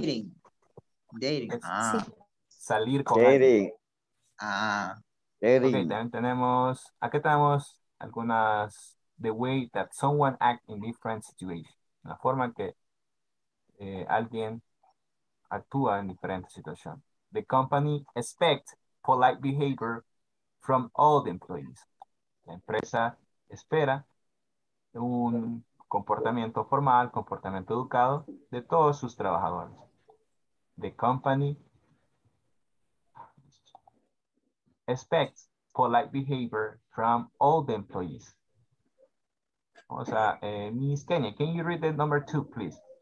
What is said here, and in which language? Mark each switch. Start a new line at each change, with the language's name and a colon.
English: Dating. Dating. Ah.
Spanish: Salir con
English: dating.
Spanish: Alguien.
English: Ah. Dating. Okay,
Spanish: también tenemos, aquí tenemos algunas,
English: the way that someone act in different situations.
Spanish: La forma que alguien actúa en diferentes situaciones.
English: The company expects polite behavior from all the employees.
Spanish: La empresa espera un comportamiento formal, comportamiento educado de todos sus trabajadores.
English: The company expects polite behavior from all the employees.
Spanish: O sea,
English: Ms. Kenya, can you read the number two, please?